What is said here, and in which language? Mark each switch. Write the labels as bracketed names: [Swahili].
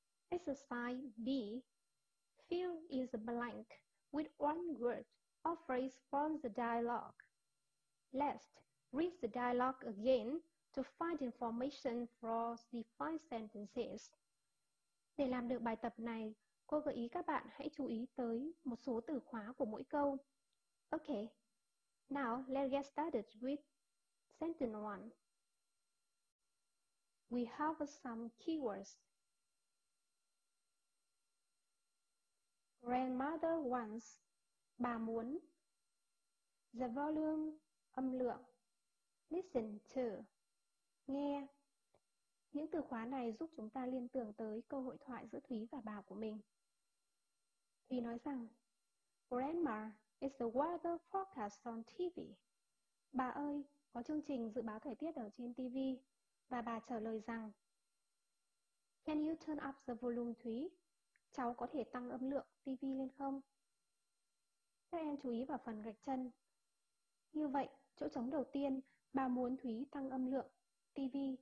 [English] Exercise B. Fill in the blank with one word or phrase from the dialogue. Last, read the dialogue again to find information for the five sentences. [Vietnamese] Để làm được bài tập này, cô gợi ý các bạn hãy chú ý tới một số từ khóa của mỗi câu. [English] Okay, now let's get started with sentence one. We have some keywords. Grandmother wants, [Vietnamese] bà muốn. [English] The volume, [Vietnamese] âm lượng. [English] Listen to, nghe. [Vietnamese] Những từ khóa này giúp chúng ta liên tưởng tới câu hội thoại giữa Thúy và bà của mình. Thúy nói rằng, [English] Grandma, is the weather forecast on TV? [Vietnamese] Bà ơi, có chương trình dự báo thời tiết ở trên TV. Và bà trả lời rằng, [English] Can you turn up the volume, Thúy? [Vietnamese] Cháu có thể tăng âm lượng TV lên không? Các em chú ý vào phần gạch chân. Như vậy, chỗ trống đầu tiên, bà muốn Thúy tăng âm lượng TV.